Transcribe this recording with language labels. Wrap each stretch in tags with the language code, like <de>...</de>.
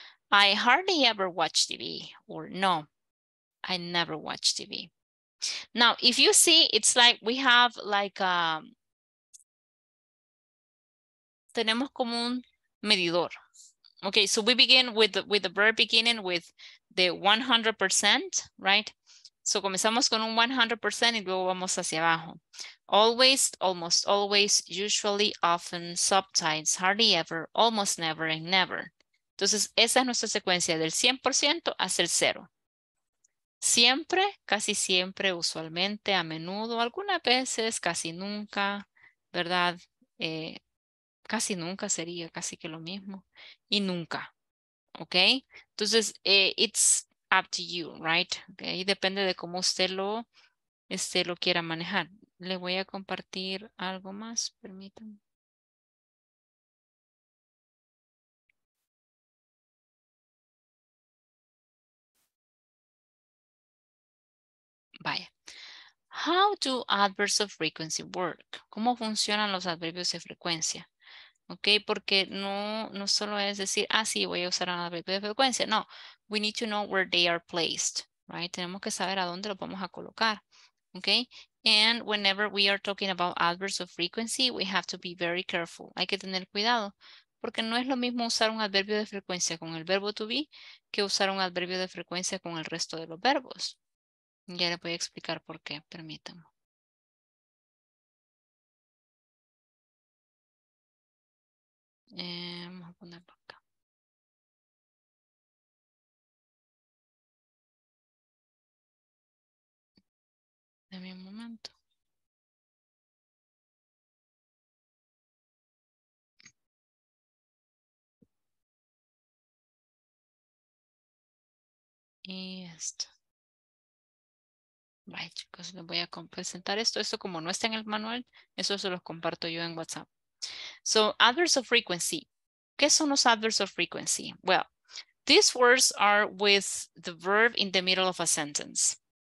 <en>I hardly ever watch TV. Or no, I never watch TV. Now, if you see, it's like we have like</en> <es>tenemos como un medidor.</es> <en>Okay, so we begin with the verb beginning with the 100%, right? So</en> <es>comenzamos con un 100% y luego vamos hacia abajo.</es> <en>Always, almost always, usually, often, sometimes, hardly ever, almost never, and never.</en> <es>Entonces, esa es nuestra secuencia del 100% hasta el cero. Siempre, casi siempre, usualmente, a menudo, algunas veces, casi nunca, ¿verdad? Casi nunca sería casi que lo mismo. Y nunca, ¿ok? Entonces,</es> <en>it's up to you, right? Okay,</en> <es>depende de cómo usted lo quiera manejar. Le voy a compartir algo más, permítanme.</es> <en>Vaya. How do adverbs of frequency work?</en> <es>¿Cómo funcionan los adverbios de frecuencia? Ok, porque no solo es decir, ah, sí, voy a usar un adverbio de frecuencia.</es> <en>No, we need to know where they are placed, right?</en> <es>Tenemos que saber a dónde lo vamos a colocar, ok?</es> <en>And whenever we are talking about adverbs of frequency, we have to be very careful.</en> <es>Hay que tener cuidado, porque no es lo mismo usar un adverbio de frecuencia con el verbo to be que usar un adverbio de frecuencia con el resto de los verbos. Ya le voy a explicar por qué, permítanme. Vamos a ponerlo acá. Dame un momento. Y esto. Vale, chicos, les voy a presentar esto. Esto como no está en el manual, eso se los comparto yo en WhatsApp.</es> <en>So, adverbs of frequency.</en> <es>¿Qué son los</es> <en>adverbs of frequency? Well, these words are with the verb in the middle of a sentence.</en>